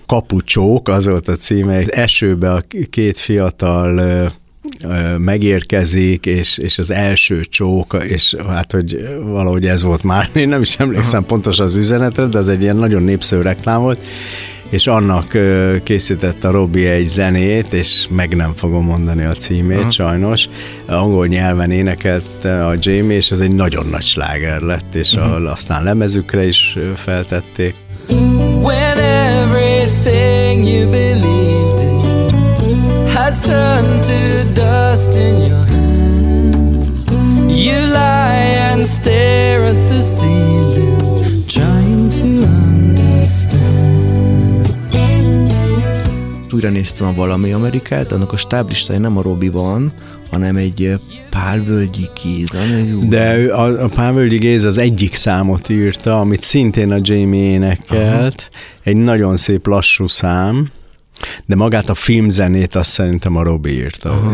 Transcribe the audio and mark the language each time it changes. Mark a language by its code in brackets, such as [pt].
[hu] Kapucsók, az volt a címe, esőbe a két fiatal megérkezik, és az első csók, és hát, hogy valahogy ez volt már, én nem is emlékszem pontosan az üzenetre, de ez egy ilyen nagyon népszerű reklám volt, és annak készített a Robi egy zenét, és meg nem fogom mondani a címét, sajnos. Angol nyelven énekelt a Jamie, és ez egy nagyon nagy sláger lett, és aztán lemezükre is feltették. [en] When everything you believed in has turned to dust in your hands, you lie and stare at the ceiling, trying to understand. [hu] újra néztem a Valami Amerikát, annak a stáblistája nem a Robi van, hanem egy Pálvölgyi Géz. De a Pálvölgyi Géz az egyik számot írta, amit szintén a Jamie énekelt. Aha. Egy nagyon szép lassú szám, de magát a filmzenét azt szerintem a Robi írta. Aha.